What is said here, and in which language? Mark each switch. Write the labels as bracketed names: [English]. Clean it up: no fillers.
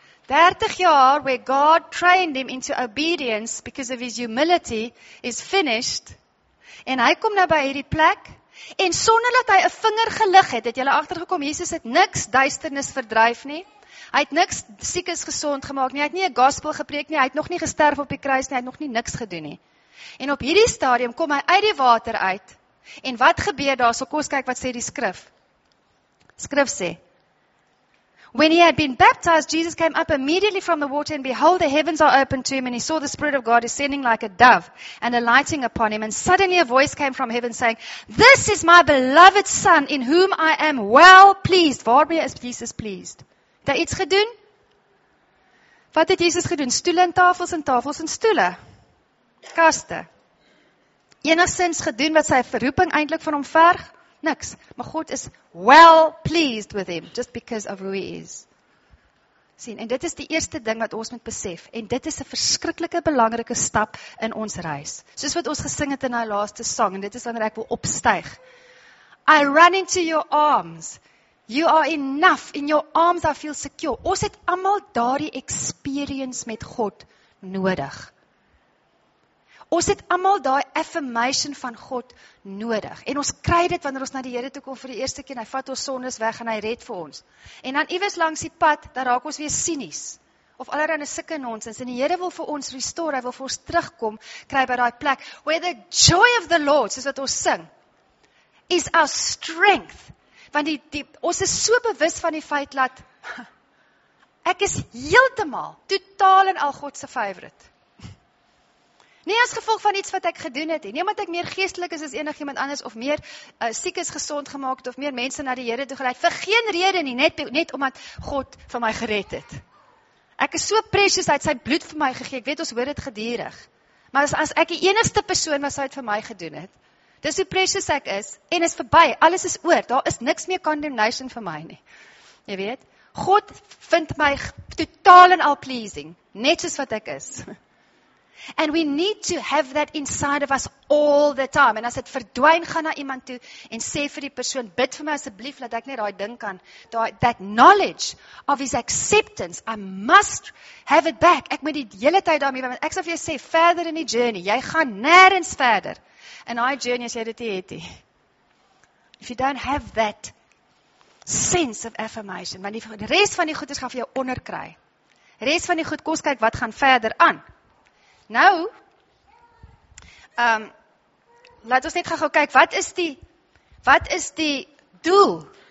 [Afrikaans] 30 jaar [English] where God trained him into obedience because of his humility is finished, [Afrikaans] en hy kom nou by hierdie plek, en sonder dat hy 'n vinger gelig het, het julle agtergekom, Jesus het niks duisternis verdryf nie, hy het niks siekes gesond gemaakt nie, hy het nie 'n gospel gepreek nie, hy het nog nie gesterf op die kruis nie, hy het nog nie niks gedoen nie. En op hierdie stadium kom hy uit die water uit, en wat gebeur daar, so kom kyk wat sê die skrif. Skrif sê, [English] when he had been baptized, Jesus came up immediately from the water, and behold, the heavens are open to him, and he saw the Spirit of God descending like a dove and alighting upon him. And suddenly a voice came from heaven saying, this is my beloved Son in whom I am well pleased. [Afrikaans] Waarmee is Jesus pleased? Het hy iets gedoen? Wat het Jesus gedoen? Stoele en tafels en tafels en stoele. Kaste. Enigszins gedoen wat sy verroeping eindelijk van hom verg? Niks. [English] Maar God is well pleased with him, just because of who he is. [Afrikaans] sien. En dit is die eerste ding wat ons moet besef. En dit is 'n verskriklike belangrike stap in ons reis. Soos wat ons gesing het in die laaste song, en dit is wanneer ek wil opstyg. [English] I run into your arms. You are enough. In your arms I feel secure. [Afrikaans] Ons het allemaal daardie experience met God nodig. Ons het allemaal daai affirmation van God nodig. En ons kry dit wanneer ons na die Here toe kom vir die eerste keer en hy vat ons sondes weg en hy red vir ons. En dan iewers langs die pad, dan raak ons weer sinies. Of allerhande sulke nonsens. En die Here wil vir ons restore, hy wil vir ons terugkom, kry by daai plek. [English] Where the joy of the Lord, [Afrikaans] soos wat ons sing, [English] is our strength. [Afrikaans] Want die ons is so bewus van die feit dat ek is heeltemal, totaal en al God se favorite. Nie as gevolg van iets wat ek gedoen het, nie omdat ek meer geestelik is as enigiemand anders, of meer siek is gesond gemaak, of meer mense na die Here toe gelei, vir geen rede nie, net omdat God vir my gered het. Ek is so precious, hy het sy bloed vir my gegee, ek weet ons hoor dit gedurig, maar as ek die enigste persoon was, hy het vir my gedoen het, dis hoe precious ek is, en is verby, alles is oor, daar is niks meer condemnation vir my nie, jy weet, God vind my totaal en al pleasing, net soos wat ek is. [English] And we need to have that inside of us all the time. [Afrikaans] En as het verdwijn, ga na iemand toe en sê vir die persoon, bid vir my asseblief, dat ek net daai ding kan. [English] That knowledge of his acceptance, I must have it back. [Afrikaans] Ek moet die hele tyd daarmee, want ek sal vir jou sê, verder in die journey, jy gaan nêrens verder. In die journey as jy dit het. [English] If you don't have that sense of affirmation, [Afrikaans] want die rest van die goeders gaan vir jou onderkry. Rest van die goed, kom kyk wat gaan verder aan. Nou, laat ons net gaan kyk, wat is die doel?